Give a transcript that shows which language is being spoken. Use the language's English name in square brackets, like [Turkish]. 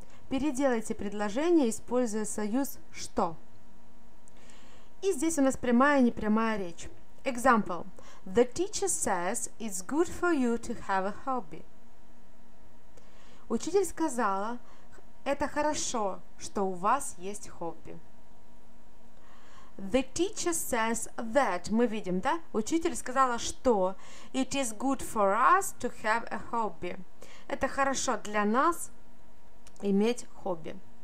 [Russian] Переделайте предложение, используя союз «что». И здесь у нас прямая и непрямая речь. [English] Example. The teacher says it's good for you to have a hobby. [Russian] Учитель сказала, это хорошо, что у вас есть хобби. [English] The teacher says that. [Russian] Мы видим, да? Учитель сказала, что [English] it is good for us to have a hobby. [Russian] Это хорошо для нас иметь хобби.